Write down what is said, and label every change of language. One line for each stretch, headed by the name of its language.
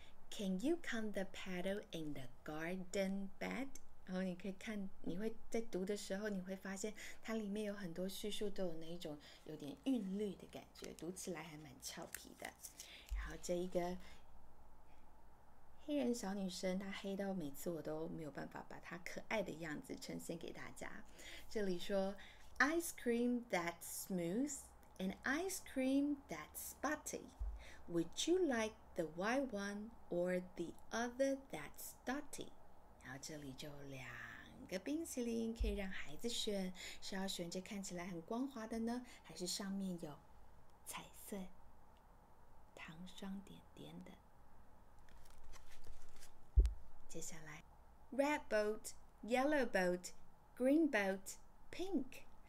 English: Can you count the petal in the garden bed?
Chinese: 然后你可以看，你会在读的时候，你会发现它里面有很多叙述都有那一种有点韵律的感觉，读起来还蛮俏皮的。然后这一个黑人小女生，她黑到每次我都没有办法把她可爱的样子呈现给大家。这里说
English: ice cream that's smooth and ice cream that's spotty. Would you like the white one or the other that's dotty?
Chinese: 然后这里就两个冰淇淋可以让孩子选，是要选这看起来很光滑的呢，还是上面有彩色糖霜点点的。接下来
English: Red boat, yellow boat, green boat, pink.